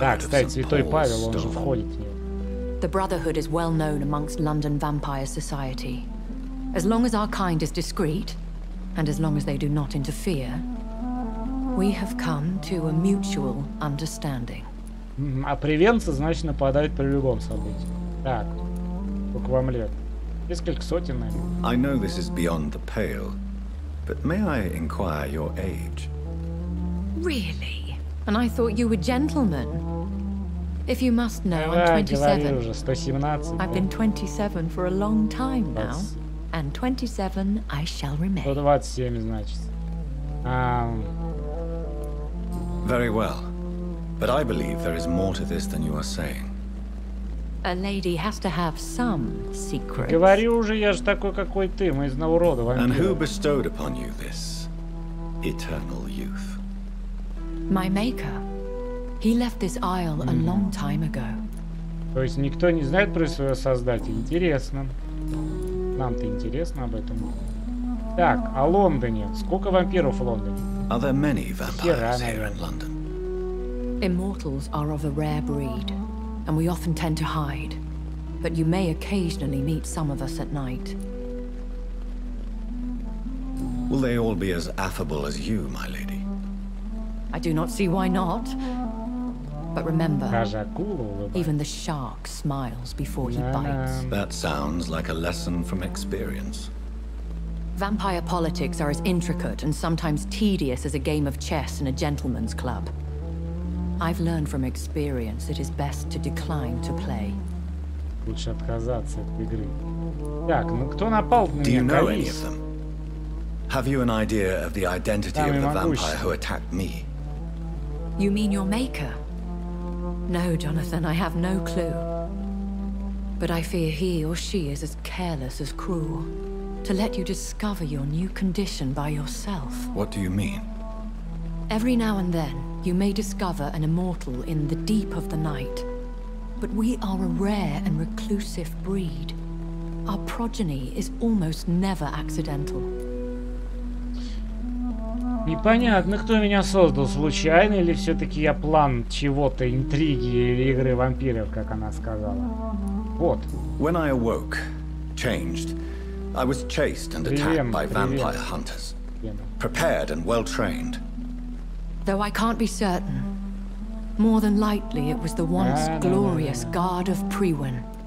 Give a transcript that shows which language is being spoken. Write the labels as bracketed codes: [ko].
[ru] Да, кстати, Святой Павел, он же входит в нее. [en] The brotherhood is well known amongst London Vampire Society. As long as our kind is discreet, and as long as they do not interfere, we have come to a mutual understanding. [ru] А превенция, значит, нападает при любом событии. Так, сколько вам лет? Несколько сотен, наверное. [en] I know this is beyond the pale, but may I inquire your age? Really? And I thought you were gentlemen. If you must know, I'm 27. [ru] Уже, 117. [en] I've been 27 for a long time now. And 27 I shall remain. [ru] 127, значит. [en] Very well. But I believe there is more to this than you are saying. A lady has to have some secrets. [ru] Говорю уже, я же такой, какой ты, мы из народа, вампиры. [en] And who bestowed upon you this eternal youth? My maker. He left this isle a long time ago. [ru] То есть никто не знает про своего создателя. Интересно. Нам-то интересно об этом. Так, о Лондоне. Сколько вампиров в Лондоне? [en] Are there many vampires here in London? Immortals are of a rare breed, and we often tend to hide. But you may occasionally meet some of us at night. Will they all be as affable as you, my lady? I do not see why not. But remember, even the shark smiles before he bites. That sounds like a lesson from experience. Vampire politics are as intricate and sometimes tedious as a game of chess in a gentleman's club. I've learned from experience it is best to decline to play. [ru] Лучше отказаться от игры. Так, ну кто напал на меня? [en] Do you know any of them? Have you an idea of the identity of the vampire who attacked me? You mean your maker? No, Jonathan, I have no clue. But I fear he or she is as careless as cruel. To let you discover your new condition by yourself. What do you mean? Every now and then, you may discover an immortal in the deep of the night. But we are a rare and reclusive breed. Our progeny is almost never accidental. [ru] Непонятно, кто меня создал, случайно или все-таки я план чего-то, интриги или игры вампиров, как она сказала. Вот. [en] When I awoke, changed. I was chased and attacked by vampire hunters. Prepared and well trained. Though I can't be certain, more than likely it was the once glorious guard of Priwen.